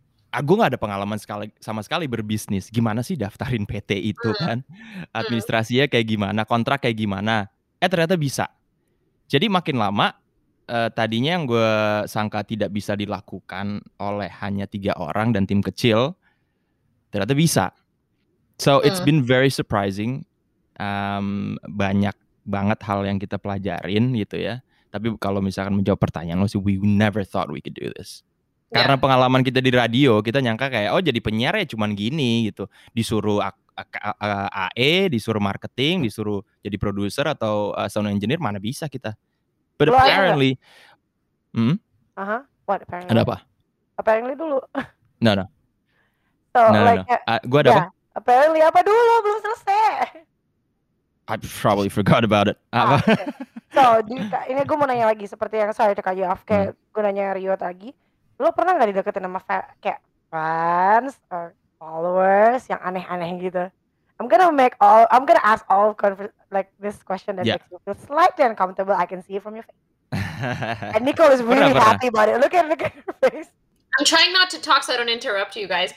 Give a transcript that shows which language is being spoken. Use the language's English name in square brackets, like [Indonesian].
[Indonesian] Aku gak ada pengalaman sama sekali berbisnis. Gimana sih daftarin PT itu kan? Administrasinya kayak gimana? Kontrak kayak gimana? Ternyata bisa. Jadi makin lama tadinya yang gue sangka tidak bisa dilakukan oleh hanya 3 orang dan tim kecil, ternyata bisa. [English] So it's been very surprising. [Indonesian] Banyak banget hal yang kita pelajarin gitu ya. Tapi kalau misalkan menjawab pertanyaan lo sih, [English] we never thought we could do this. [Indonesian] Karena pengalaman kita di radio, kita nyangka kayak, oh jadi penyiar ya cuman gini gitu. Disuruh AE, disuruh marketing, disuruh jadi produser atau sound engineer, mana bisa kita. [English] But apparently, What apparently? [Indonesian] Ada apa? Apparently dulu. [English] No. So no, like, [Indonesian] no. Gua ada apa? Apparently apa dulu belum selesai. [English] I probably forgot about it. Okay. [Indonesian] So ini gue mau nanya lagi seperti yang [English] sorry to cut you off, [Indonesian] kayak gue nanya Rio tadi, lo pernah nggak dideketin sama kayak fans or followers yang aneh-aneh gitu. [English] I'm gonna ask all like this question that makes you feel slightly uncomfortable. I can see it from your face. And Nicole is really happy about it. Look at her face. I'm trying not to talk so I don't interrupt you guys.